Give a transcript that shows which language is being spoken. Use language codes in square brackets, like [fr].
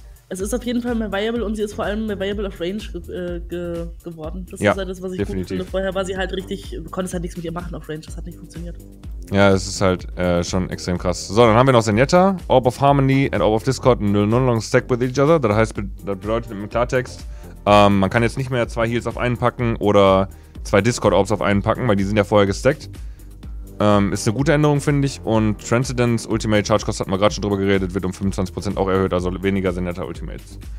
[de] Es ist auf jeden Fall mehr viable und sie ist vor allem mehr viable auf Range geworden. Das ja, ist halt das, was ich definitiv gut finde. Vorher war sie halt richtig, du konntest halt nichts mit ihr machen auf Range, das hat nicht funktioniert. Ja, es ist halt schon extrem krass. So, dann haben wir noch Zenyatta. [en] Orb of Harmony and Orb of Discord null no long stack with each other. [de] Das heißt, das bedeutet im Klartext, man kann jetzt nicht mehr zwei Heals auf einen packen oder zwei Discord-Orbs auf einen packen, weil die sind ja vorher gestackt. Ist eine gute Änderung, finde ich. Und Transcendence Ultimate Charge Cost, hatten wir gerade schon drüber geredet, wird um 25% auch erhöht, also weniger Zenyatta Ultimates.